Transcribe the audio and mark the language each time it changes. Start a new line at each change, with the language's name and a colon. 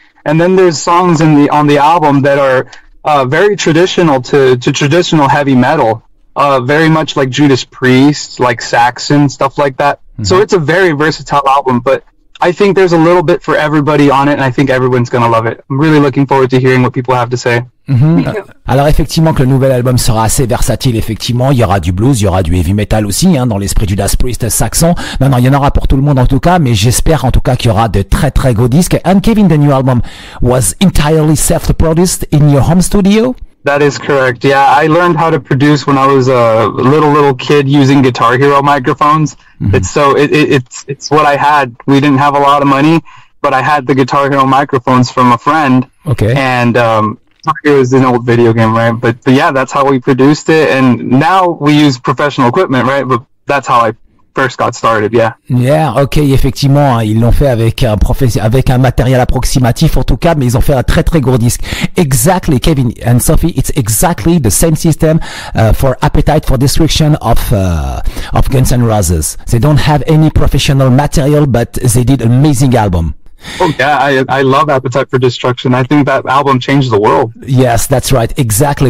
English: And then there's songs on the album that are very traditional to traditional heavy metal, very much like Judas Priest, like Saxon, stuff like that. Mm-hmm. So it's a very versatile album, but I think there's a little bit for everybody on it, and I think everyone's gonna love it. I'm really looking forward to hearing what people have to say. Mm-hmm.
French: Alors effectivement que le nouvel album sera assez versatile, effectivement il y aura du blues, il y aura du heavy metal aussi, hein, dans l'esprit du Das Priest saxon. Non, il y en aura pour tout le monde en tout cas, mais j'espère en tout cas qu'il y aura de très très gros disques.
English: And Kevin, the new album was entirely self-produced in your home studio? That is correct. Yeah, I learned how to produce when I was a little kid using Guitar Hero microphones. Mm-hmm. It's what I had. We didn't have a lot of money, but I had the Guitar Hero microphones from a friend. Okay. And it was an old video game, right? But yeah, that's how we produced it. And now we use professional equipment, right? But that's how I first got started. Yeah. Yeah. Okay.
French: Effectivement, hein, ils l'ont fait avec un matériel approximatif, en tout cas, mais ils ont fait un très très gros disque.
English: Exactly, Kevin and Sophie. It's exactly the same system for Appetite for Destruction of Guns N' Roses. They don't have any professional material, but they did an amazing album. Oh yeah, I love Appetite for Destruction. I think that album changed the world. Yes, that's right. Exactly.